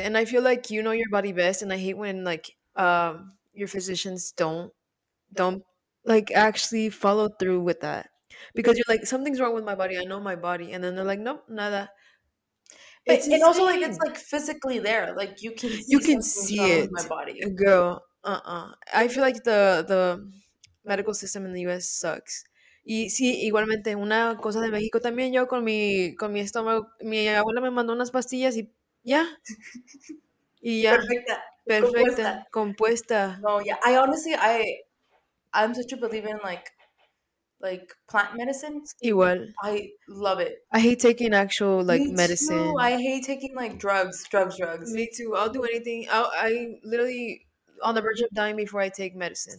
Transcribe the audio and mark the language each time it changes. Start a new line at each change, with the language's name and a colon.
English: And I feel like you know your body best. And I hate when, like, your physicians don't, like, actually follow through with that. Because you're like, something's wrong with my body. I know my body. And then they're like, nope, nada. But it's insane. Also, like, it's, like, physically there. Like, you can see it. With my body. Girl. I feel like the medical system in the U.S. sucks.
Spanish: Y sí, igualmente, una cosa de México también, yo con mi estómago, mi abuela me mandó unas pastillas y ya.
English: Yeah.
Spanish: Perfecta. Perfecta. Compuesta.
English: No, yeah. I honestly, I'm such a believer in like plant medicine.
Spanish: Igual.
English: I love it. I hate taking actual like medicine. Me too. I hate taking like drugs. Me too. I'll do anything. I literally on the verge of dying before I take medicine.